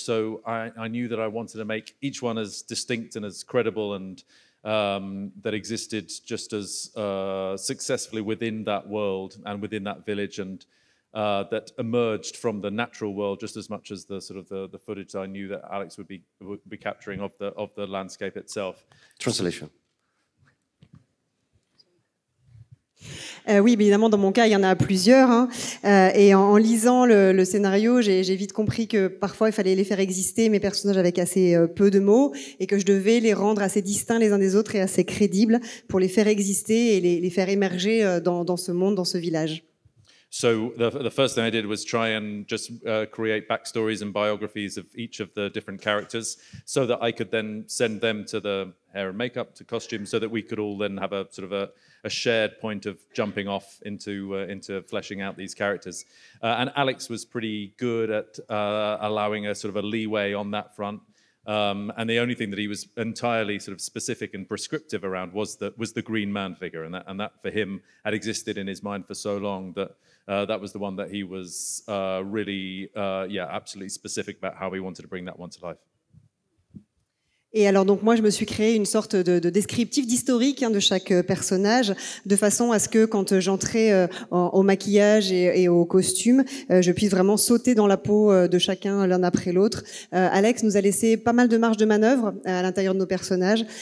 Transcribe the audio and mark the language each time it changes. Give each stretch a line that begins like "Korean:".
English: So I knew that I wanted to make each one as distinct and as credible, and that existed just as successfully within that world and within that village, and that emerged from the natural world just as much as the sort of the footage that I knew that Alex would be capturing of the landscape itself. Translation.
French: Oui, évidemment, dans mon cas, il y en a plusieurs. Et en lisant le scénario, j'ai vite compris que parfois, il fallait les faire exister, mes personnages, avec assez peu de mots, et que je devais les rendre assez distincts les uns des autres et assez crédibles pour les faire exister et les faire émerger dans ce monde, dans ce village.
English: So the first thing I did was try and just create backstories and biographies of each of the different characters so that I could then send them to the hair and makeup, to costumes, so that we could all then have a sort of a shared point of jumping off into fleshing out these characters. And Alex was pretty good at allowing a sort of a leeway on that front. And the only thing that he was entirely sort of specific and prescriptive around was the Green Man figure. And that for him had existed in his mind for so long that that was the one that he was absolutely specific about how he wanted to bring that one to life.
French: Et alors donc moi je me suis créé une sorte de descriptif, d'historique hein, de chaque personnage, de façon à ce que quand j'entrais au maquillage et au costume, je puisse vraiment sauter dans la peau de chacun l'un après l'autre. Alex nous a laissé pas mal de marge de manœuvre à l'intérieur de nos personnages.